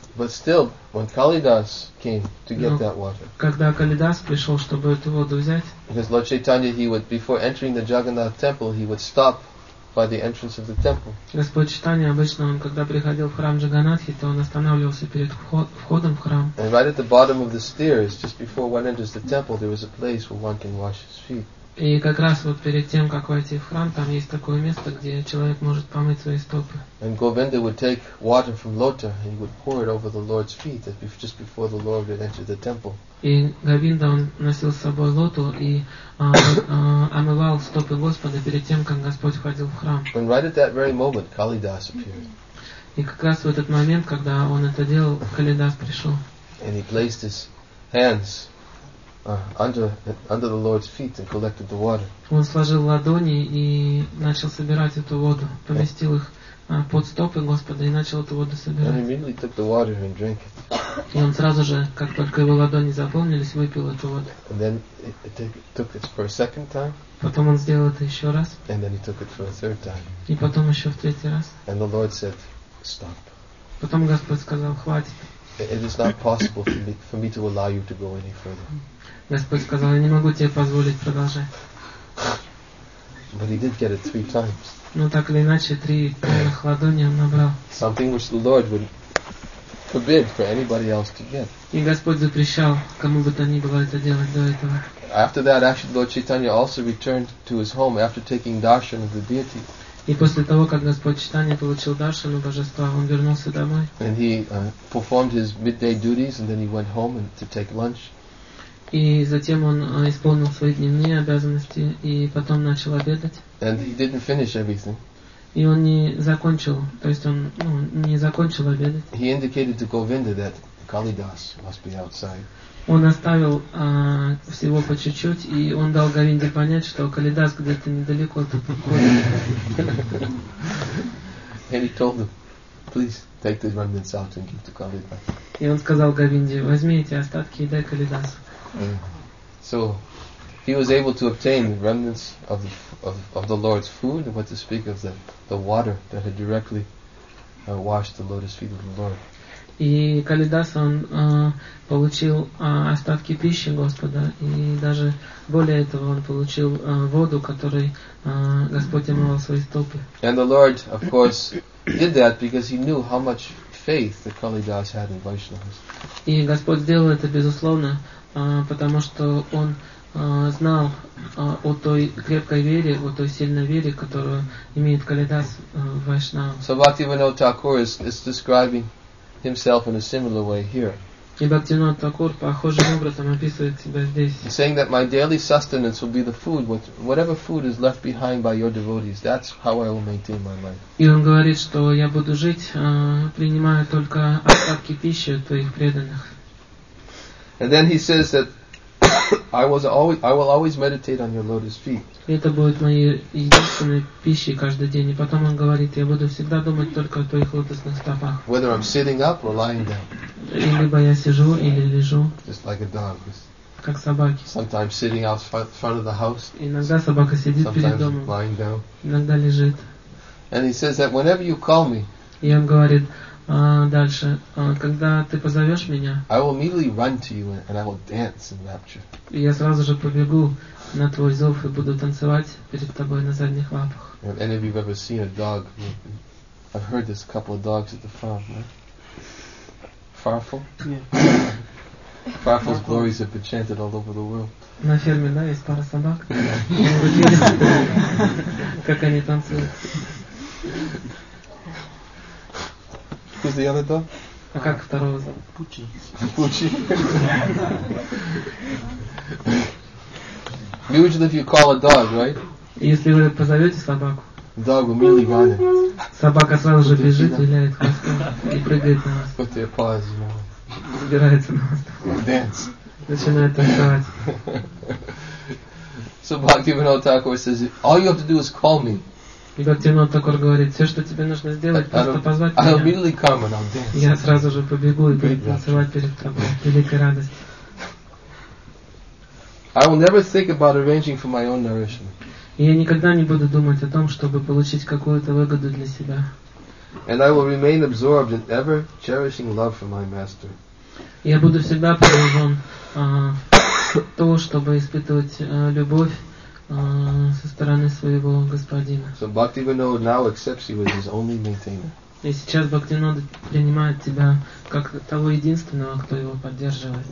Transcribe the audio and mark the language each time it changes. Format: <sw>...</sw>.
<en>But still, when Kalidas came to get that water,</en> <ru>когда Калидас пришел, чтобы эту воду взять,</ru> <en>because Lord Chaitanya, he would, before entering the Jagannath temple, he would stop by the entrance of the temple.</en> <ru>Господь Чайтанья обычно, он когда приходил в храм Джаганатхи, то он останавливался перед входом в храм.</ru> <en>And right at the bottom of the stairs, just before one enters the temple, there is a place where one can wash his feet.</en> <ru>И как раз вот перед тем, как войти в храм, там есть такое место, где человек может помыть свои стопы.</ru> <en>And Govinda would take water from Lota and he would pour it over the Lord's feet just before the Lord would enter the temple.</en> <ru>И Говинда он носил с собой лоту и омывал стопы Господа перед тем, как Господь входил в храм.</ru> <en>And right at that very moment, Kalidas appeared.</en> <ru>И как раз в этот момент, когда он это делал, Калидас пришел.</ru> <en>And he placed his hands under the Lord's feet and collected the water.</en> <ru>Он сложил ладони и начал собирать эту воду, поместил их под стопы Господа и начал эту воду собирать.</ru> <en>And he immediately took the water and drank it.</en> <ru>И он сразу же, как только его ладони заполнились, выпил эту воду.</ru> <en>And then it took it for a second time.</en> <ru>Потом он сделал это еще раз.</ru> <en>And then he took it for a third time.</en> <ru>И потом еще в третий раз.</ru> <en>And the Lord said, "Stop."</en> <ru>Потом Господь сказал, "Хватит."</ru> <en>It is not possible for me to allow you to go any further.</en> <ru>Господь сказал, я не могу тебе позволить продолжать.</ru> <en>But he did get it three times.</en> <ru>Но так или иначе, три полных ладони он набрал.</ru> <en>Something which the Lord would forbid for anybody else to get.</en> <ru>И Господь запрещал, кому бы то ни было это делать до этого.</ru> <en>After that, actually, Lord Chaitanya also returned to his home after taking darshan of the deity.</en> <ru>И после того, как Господь Чайтанья получил даршану божества, он вернулся домой.</ru> <en>And he performed his midday duties and then he went home to take lunch.</en> <ru>И затем он исполнил свои дневные обязанности и потом начал обедать.</ru> <en>And he didn't finish everything.</en> <ru>И он не закончил, то есть он не закончил обедать.</ru> <en>He indicated to Govinda that Kalidas must be outside.</en> <ru>Он оставил всего по чуть-чуть, и он дал Говинде понять, что Калидас где-то недалеко тут уходит.</ru> <en>And he told him, please take the remnants out and give to Kalidas.</en> <ru>И он сказал Говинде, возьми эти остатки и дай Калидасу.</ru> <en>So he was able to obtain remnants of the Lord's food, and what to speak of the water that had directly washed the lotus feet of the Lord.</en> <ru>И Калидас он получил остатки пищи Господа, и даже более этого он получил воду, которой Господь омывал свои стопы.</ru> <en>And the Lord, of course, did that because he knew how much faith that Kalidas had in Vaishnavas.</en> <ru>И Господь сделал это безусловно, потому что он знал о той крепкой вере, о той сильной вере, которую имеет Калидас в Вайшнаве.</ru> <en>So Bhaktivinoda Thakur is describing himself in a similar way here.</en> <ru>И Бхактивинода Такур похожим образом описывает себя здесь.</ru> <en>He's saying that my daily sustenance will be the food, whatever food is left behind by your devotees. That's how I will maintain my life.</en> <ru>И он говорит, что я буду жить, принимая только остатки пищи от твоих преданных.</ru> <en>And then he says that I will always meditate on your lotus feet.</en> <ru>Это будет моей единственной пищей каждый день. И потом он говорит, я буду всегда думать только о твоих лотосных стопах.</ru> <en>Whether I'm sitting up or lying down.</en> <ru>Либо я сижу или лежу.</ru> <en>Just like a dog.</en> <ru>Как собаки.</ru> <en>Sometimes sitting out front of the house.</en> <ru>Иногда собака сидит перед домом.</ru> <en>Sometimes lying down.</en> <ru>Иногда лежит.</ru> <en>And he says that whenever you call me.</en> <ru>И он говорит. Дальше, когда ты позовешь меня,</ru> <en>I will immediately run to you and I will dance in rapture.</en> <ru>И я сразу же побегу на твой зов и буду танцевать перед тобой на задних лапах.</ru> <en>And any of you have ever seen a dog? I've heard there's a couple of dogs at the farm, right? Farfel? Yeah. Farfel's glories have been chanted all over the world.</en> <ru>На ферме, да, есть пара собак. Как они танцуют.</ru> <en>Who's the other dog?</en> <ru>А как второго зовут? Пучи. Пучи.</ru> <en>Usually, if you call a dog, right?</en> <ru>Если вы позовете собаку.</ru> <en>Dog immediately running.</en> <ru>Собака сразу же бежит, виляет хвостом и прыгает на нас.</ru> <en>Put their paws, you know.</en> <ru>Забирается на нас.</ru> <en>Dance.</en> <ru>Начинает танцевать.</ru> <en>So Bhaktivinoda Thakur says, all you have to do is call me.</en> <ru>Bhaktivinoda Thakur говорит, все, что тебе нужно сделать, просто позвать меня.</ru> <en>I'll immediately come and I'll dance.</en> <ru>Я сразу же побегу и буду танцевать перед тобой. Великая радость.</ru> <en>I will never think about arranging for my own nourishment.</en> <ru>Я никогда не буду думать о том, чтобы получить какую-то выгоду для себя.</ru> <en>And I will remain absorbed in ever cherishing love for my master.</en> <ru>Я буду всегда погружен в то, чтобы испытывать любовь со стороны своего господина.</ru> <en>So Bhaktivinoda now accepts you as his only maintainer.</en> <ru>И сейчас Бхактинода принимает тебя как того единственного, кто его поддерживает.</ru>